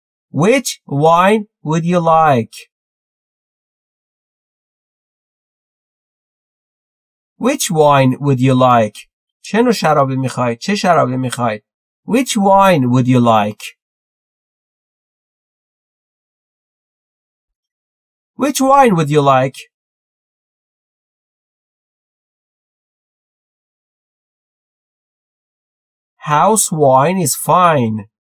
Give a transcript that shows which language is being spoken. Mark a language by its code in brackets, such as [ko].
[en] Which wine would you like? Which wine would you like? [fa] چه نوع شرابی میخواید؟ چه شرابی میخواید؟ [en] Which wine would you like? Which wine would you like? House wine is fine.